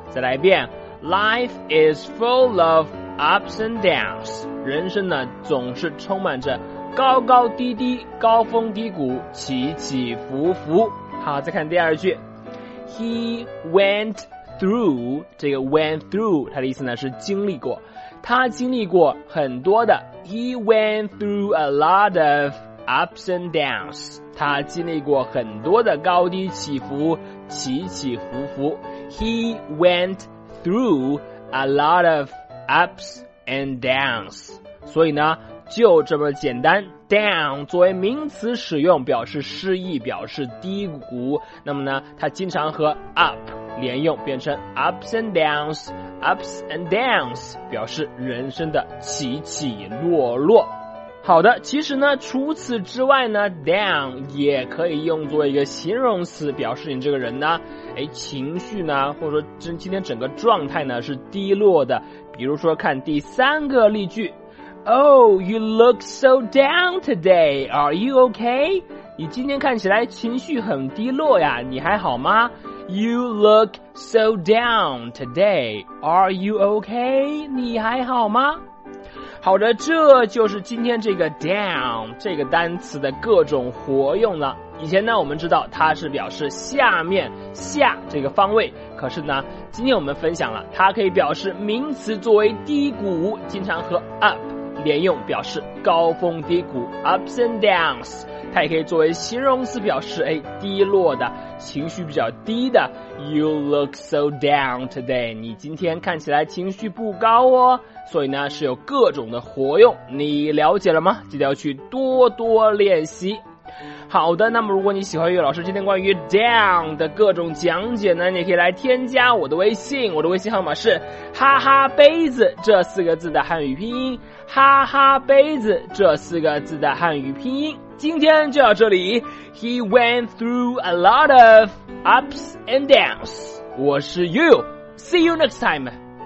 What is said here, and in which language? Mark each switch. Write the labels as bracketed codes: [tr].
[zh] 再来一遍， Life is full of ups and downs，人生呢总是充满着高高低低、高峰低谷、起起伏伏。好，再看第二句， He went through， 这个 went through 它的意思呢是经历过，他经历过很多的。 [en] He went through a lot ofUps and downs，他经历过很多的高低起伏、起起伏伏。 He went through a lot of ups and downs。 [zh] 所以呢，就这么简单。 Down 作为名词使用，表示失意、表示低谷。那么呢，它经常和 up 连用，变成 ups and downs。 Ups and downs 表示人生的起起落落。好的，其实呢除此之外呢 down 也可以用作一个形容词，表示你这个人呢，哎，情绪呢或者说今天整个状态呢是低落的。 [en] 比如说看第三个例句， Oh, you look so down today, are you okay? [zh] 你今天看起来情绪很低落呀，你还好吗？ [en] You look so down today, are you okay? [zh] 你还好吗？好的，这就是今天这个 down 这个单词的各种活用了。以前呢我们知道它是表示下面、下这个方位，可是呢今天我们分享了它可以表示名词作为低谷，经常和 up 连用，表示高峰低谷 ups and downs。它也可以作为形容词，表示，哎，低落的、情绪比较低的。 You look so down today，你今天看起来情绪不高哦。所以呢是有各种的活用，你了解了吗？记得要去多多练习。好的，那么如果你喜欢岳老师今天关于 down 的各种讲解呢，你可以来添加我的微信，我的微信号码是哈哈杯子这四个字的汉语拼音，哈哈杯子这四个字的汉语拼音。 [en] 今天就到这里， He went through a lot of ups and downs，我是 You， See you next time。